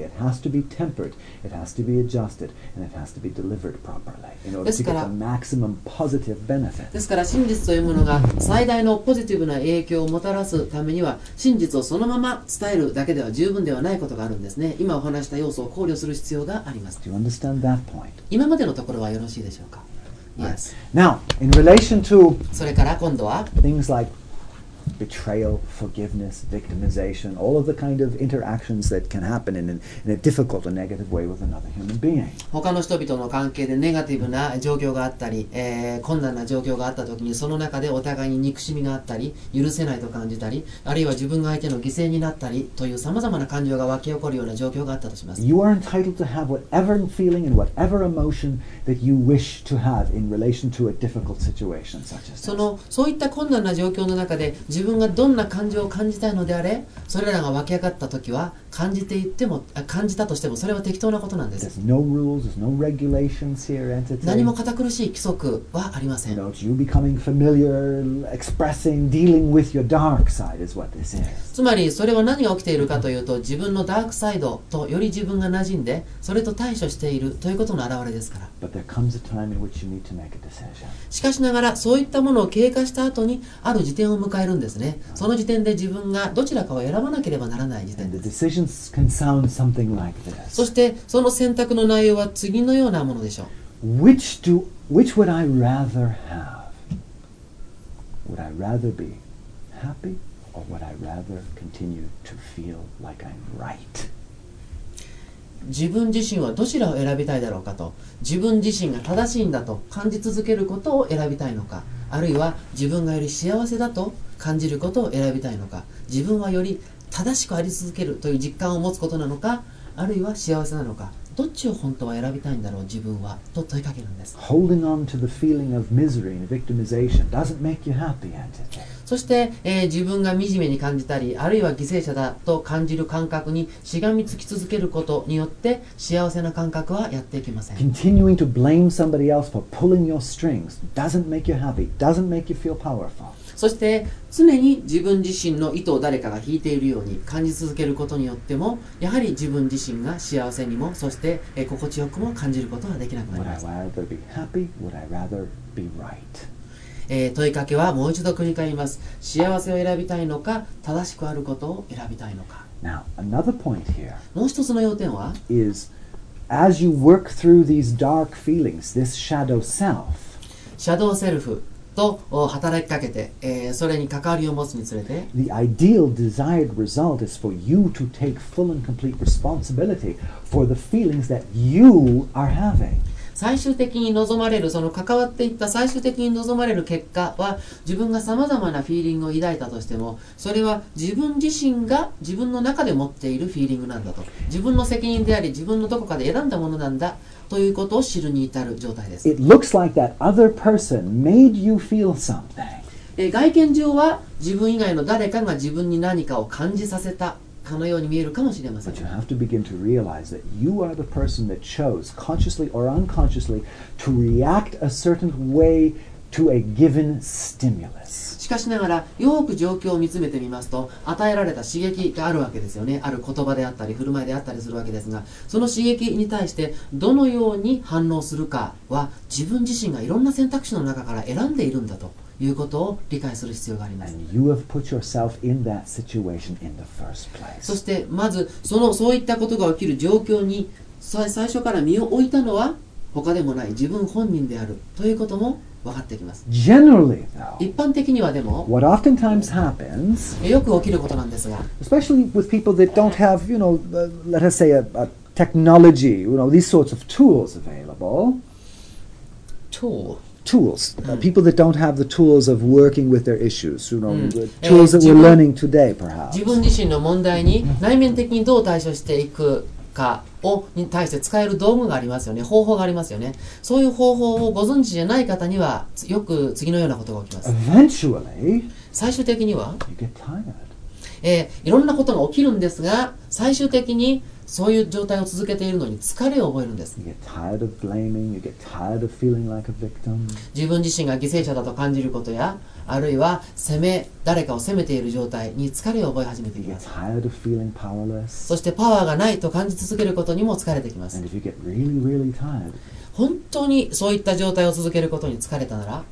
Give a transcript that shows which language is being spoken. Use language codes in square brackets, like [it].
[en] It has to be tempered, it has to be adjusted, and it has to be delivered properly in order to get the maximum positive benefit. [ja] ですから真実というものが最大のポジティブな影響をもたらすためには真実をそのまま伝えるだけでは十分ではないことがあるんですね。今お話した要素を考慮する必要があります。 [en] Do you understand that point? [ja] 今までのところはよろしいでしょうか。 [en] Yes. Now, in relation to [ja] それから今度は [en] things like betrayal, forgiveness, victimization, all of the kind of interactions that can happen in a difficult or negative way with another human being. [ja] 他の人々の関係でネガティブな状況があったり、困難な状況があった時にその中でお互いに憎しみがあったり許せないと感じたりあるいは自分が相手の犠牲になったりという様々な感情が湧き起こるような状況があったとします。 [en] You are entitled to have whatever feeling and whatever emotion that you wish to have in relation to a difficult situation such as this. [ja] そういった困難な状況の中で自分がどんな感情を感じたいのであれ、それらが湧き上がったときは感じていっても、感じたとしてもそれは適当なことなんです。 [en] There's no rules, there's no regulations here, entity. [ja] 何も堅苦しい規則はありません。 [en] You know, you becoming familiar, expressing, dealing with your dark side is what this is. [ja] つまりそれは何が起きているかというと、自分のダークサイドとより自分が馴染んで、それと対処しているということの表れですから。 [en] But there comes a time in which you need to make a decision. [ja] しかしながら、そういったものを経過した後にある時点を迎えるんですね。その時点で自分がどちらかを選ばなければならない時点です [en] 。 can sound something like this. [ja] そしてその選択の内容は次のようなものでしょう。 [en] which would I rather have? Would I rather be happy or would I rather continue to feel like I'm right? [ja] 自分自身はどちらを選びたいだろうかと自分自身が正しいんだと感じ続けることを選びたいのかあるいは自分がより幸せだと感じることを選びたいのか自分はより正しくあり続けるという実感を持つことなのかあるいは幸せなのかどっちを本当は選びたいんだろう自分はと問いかけるんです。 [en] Holding on to the feeling of misery and victimization doesn't make you happy, entity. [ja] そして、自分が惨めに感じたりあるいは犠牲者だと感じる感覚にしがみつき続けることによって幸せな感覚はやっていきません。 [en] Continuing to blame somebody else for pulling your strings doesn't make you happy, doesn't make you feel powerful. [ja] そして常に自分自身の意図を誰かが引いているように感じ続けることによってもやはり自分自身が幸せにもそして心地よくも感じることはできなくなります。 [en] Would I rather be happy? Would I rather be right? [ja] 問いかけはもう一度繰り返します。幸せを選びたいのか正しくあることを選びたいのか。 [en] Now, another point here [ja] もう一つの要点は [en] is as you work through these dark feelings, this shadow self [ja] シャドウセルフと働きかけて、それに関わりを持つにつれて [en] The ideal desired result is for you to take full and complete responsibility for the feelings that you are having. [ja] 最終的に望まれるその関わっていった最終的に望まれる結果は自分がさまざまなフィーリングを抱いたとしてもそれは自分自身が自分の中で持っているフィーリングなんだと自分の責任であり自分のどこかで選んだものなんだということを知るに至る状態です。 [en] It looks like that other person made you feel something. [ja] 外見上は自分以外の誰かが自分に何かを感じさせたかのように見えるかもしれません。 [en] But you have to begin to realize that you are the person that chose, consciously or unconsciously, to react a certain way to a given stimulus. [ja] しかしながらよく状況を見つめてみますと与えられた刺激があるわけですよね。ある言葉であったり振る舞いであったりするわけですが、その刺激に対してどのように反応するかは自分自身がいろんな選択肢の中から選んでいるんだということを理解する必要があります。 [en] And you have put yourself in that situation in the first place. [ja] そしてまずそういったことが起きる状況に最初から身を置いたのは他でもない自分本人であるということも分かってきます。 [en] Generally, though, [ja] 一般的にはでも [en] what oftentimes happens, [ja] よく起きることなんですが、 [en] especially with people that don't have, you know, let us say a technology, you know, these sorts of tools available. Tools. People that don't have the tools of working with their issues, you know, the tools that we're learning today, perhaps. [ja] 自分自身の問題に内面的にどう対処していくかをに対して使える道具がありますよね、方法がありますよね。そういう方法をご存知じゃない方にはよく次のようなことが起きます。 [en] Eventually, [ja] 最終的には [en] you get tired. [ja] いろんなことが起きるんですが、最終的にそういう状態を続けているのに疲れを覚えるんです。 [en] You get tired of blaming, you get tired of feeling like a victim. [ja] 自分自身が犠牲者だと感じることや、あるいは誰かを責めている状態に疲れを覚え始めています。 [en] You get tired of feeling powerless. [ja] そしてパワーがないと感じ続けることにも疲れてきます。 [en] And if you get really, really tired, [ja] 本当にそういった状態を続けることに疲れたなら、